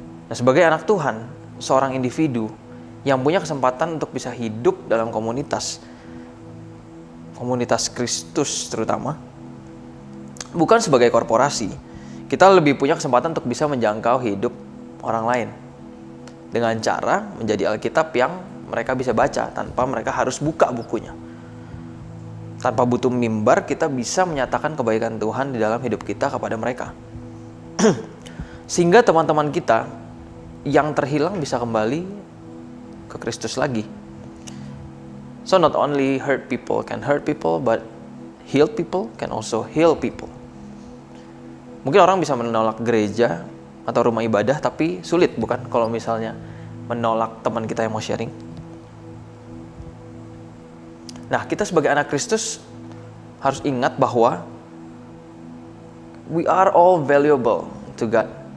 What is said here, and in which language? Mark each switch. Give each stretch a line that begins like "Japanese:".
Indonesian: Nah, sebagai anak Tuhan, seorang individu yang punya kesempatan untuk bisa hidup dalam komunitas, komunitas Kristus terutama, bukan sebagai korporasi, kita lebih punya kesempatan untuk bisa menjangkau hidup orang lain dengan cara menjadi Alkitab yang mereka bisa baca tanpa mereka harus buka bukunya. Tanpa butuh mimbar, kita bisa menyatakan kebaikan Tuhan di dalam hidup kita kepada mereka. Sehingga teman-teman kita yang terhilang bisa kembali ke Kristus lagi.
English: So not only hurt people can hurt people, but healed people can also heal people.
Indonesian: Mungkin orang bisa menolak gereja atau rumah ibadah, tapi sulit bukan kalau misalnya menolak teman kita yang mau sharing. Nah, kita sebagai anak Kristus harus ingat bahwa
English: we are all valuable to God.